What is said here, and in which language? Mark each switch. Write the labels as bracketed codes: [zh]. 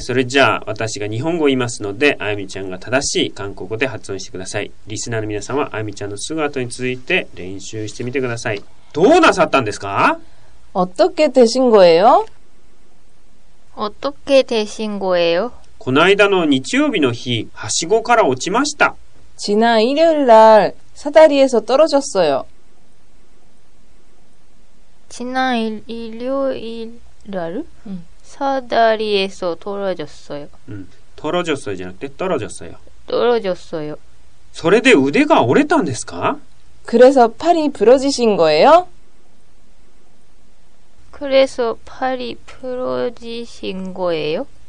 [ja] それじゃあ私が日本語を言いますので、あゆみちゃんが正しい韓国語で発音してください。リスナーの皆さんはあゆみちゃんの姿に続いて練習してみてください。どうなさったんですか。 [ko] 어떻게되신거예요 어떻게되신거예요 [ja] この間の日曜日の日、はしごから落ちました。 [ko] 지난일요일날사다리에서떨어졌어요 지난 일요일날사다리에서떨어졌어요 떨어졌어요 [ja] じゃなくて [ko] 떨어졌어요 떨어졌어요 [ja] それで腕が折れたんですか [ko] 그래서팔이부러지신거예요 그래서팔이부러지신거예요